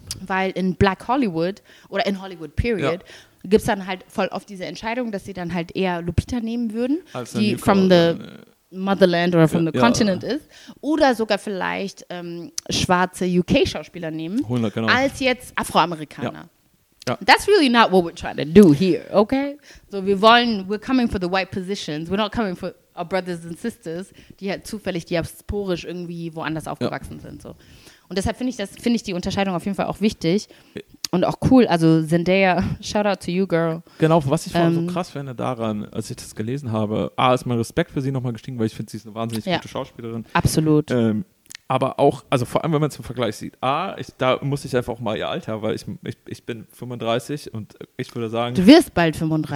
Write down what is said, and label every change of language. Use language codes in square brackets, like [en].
[de] Weil in Black Hollywood oder in Hollywood period gibt es dann halt voll oft diese Entscheidung, dass sie dann halt eher Lupita nehmen würden, als [en] die from the motherland oder from the continent ist. [de] Oder sogar vielleicht schwarze UK-Schauspieler nehmen, 100, genau. Als jetzt Afroamerikaner. Ja. [en] That's really not what we're trying to do here, okay? So we're coming for the white positions, we're not coming for [de] auch [en] Brothers and Sisters, [de] die halt zufällig diasporisch irgendwie woanders aufgewachsen ja. sind. So. Und deshalb finde ich die Unterscheidung auf jeden Fall auch wichtig und auch cool. [en] Also Zendaya, shout out to you, girl. [de] Genau, was ich vor allem so krass finde daran, als ich das gelesen habe, ist mein Respekt für sie nochmal gestiegen, weil ich finde, sie ist eine wahnsinnig ja. gute Schauspielerin. Absolut. Aber auch, also vor allem, wenn man es im Vergleich sieht, da muss ich einfach auch mal ihr Alter, weil ich bin 35 und ich würde sagen... Du wirst bald 35.